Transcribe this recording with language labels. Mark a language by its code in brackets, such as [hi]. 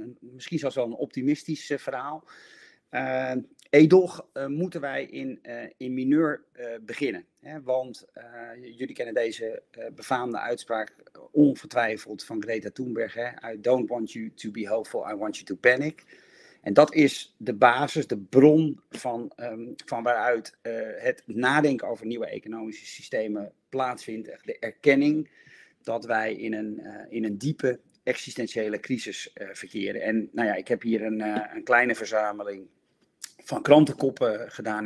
[nl] Misschien zelfs wel een optimistisch verhaal. Edoch moeten wij in mineur beginnen. Hè? Want jullie kennen deze befaamde uitspraak ongetwijfeld van Greta Thunberg. Hè? [en] I don't want you to be hopeful, I want you to panic. [nl] En dat is de basis, de bron van waaruit het nadenken over nieuwe economische systemen plaatsvindt. De erkenning dat wij in een diepe existentiële crisis verkeren. En nou ja, ik heb hier een kleine verzameling van krantenkoppen gedaan.